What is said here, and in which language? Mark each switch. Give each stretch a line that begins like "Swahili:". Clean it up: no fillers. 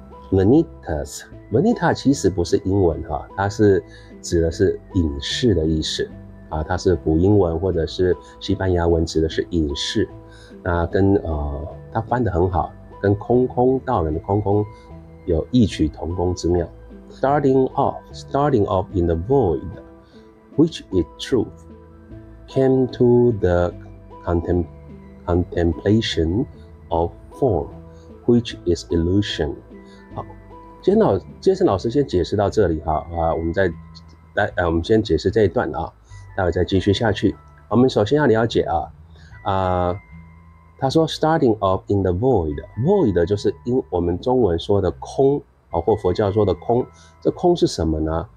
Chinese: Vanita 其实不是英文哈、它是指的是隐士的意思啊，它是古英文或者是西班牙文指的是隐士。那跟它翻得很好，跟空空道人的空空有异曲同工之妙。
English: Starting off in the void， which is truth。 Came to the contemplation of form, which is illusion.
Chinese: 好，杰森老师先解释到这里哈啊，我们先解释这一段啊，待会再继续下去。我们首先要了解他说
English: starting off in the void
Chinese: 就是因我们中文说的空啊，或佛教说的空，这空是什么呢？